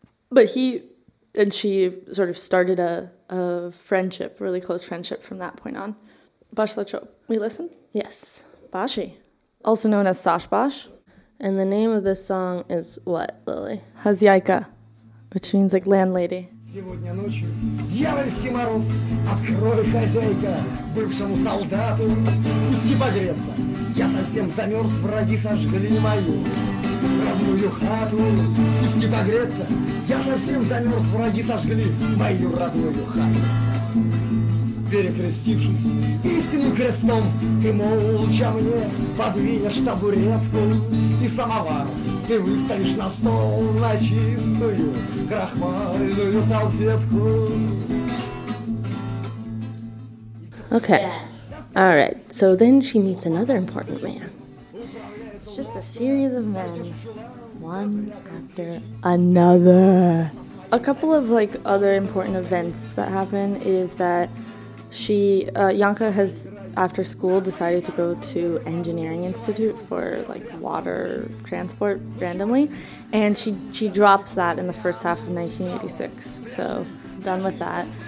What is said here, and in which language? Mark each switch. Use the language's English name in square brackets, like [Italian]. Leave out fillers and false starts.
[English] But he and she sort of started a friendship, a really close friendship from that point on. Bashlachov. We listen? Yes. Bashi. Also known as Sash Bash. And the name of this song is what, Lily? Хозяйка, which means like landlady. [Russian] Сегодня ночью дьявольский мороз, открой, хозяйка, бывшему солдату, пусти погреться. Я совсем замерз, враги сожгли мою. чужую хату. Пусти погреться, я совсем замерз, враги сожгли мою родную хату. Перекрестившись истинным крестом, ты молча мне подвинешь табуретку и самовар. Ты выставишь на стол на чистую крахмальную салфетку. [English] Okay. All right, so then she meets another important man. It's just a series of men, one after another. A couple of, like, other important events that happen is that she, Janka has, after school, decided to go to Engineering Institute for, like, water transport randomly, and she drops that in the first half of 1986, so done with that.